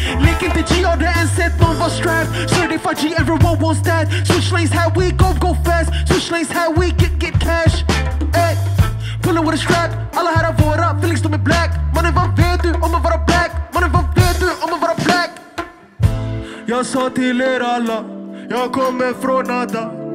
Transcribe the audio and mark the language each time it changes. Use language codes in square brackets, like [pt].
[sv] Lek inte G, har du ens sett någon var strapped? [en] Certified G, everyone wants that. Switch lanes, how we go, go fast. Switch lanes, how we get cash. Pulling with a strap. [sv] Alla här har våra feelings, de är black. Mannen, vad vet du om att vara black? Mannen, vad vet du om att vara black? Jag sa till er alla, jag kommer från nada.